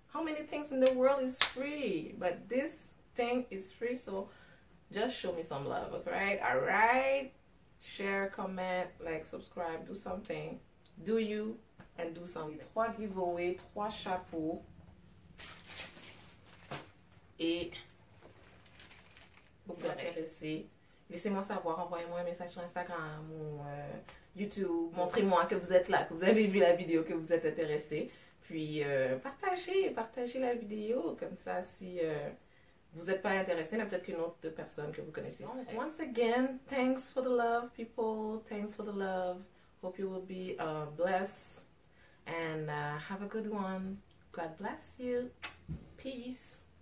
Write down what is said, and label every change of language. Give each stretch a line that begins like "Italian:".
English: How many things in the world is free? But this thing is free, so just show me some love, okay? All right? Share, comment, like, subscribe, do something. Do you and do something.
French: Trois giveaways, trois chapeaux. Et vous êtes intéressés. Laissez-moi savoir, envoyez-moi un message sur Instagram ou YouTube. Montrez-moi que vous êtes là, que vous avez vu la vidéo, que vous êtes intéressé. Puis partagez la vidéo comme ça si vous n'êtes pas intéressé, mais peut-être qu'une autre personne que vous connaissez.
English: Okay. Once again, thanks for the love, people. Thanks for the love. Hope you will be blessed and have a good one. God bless you. Peace.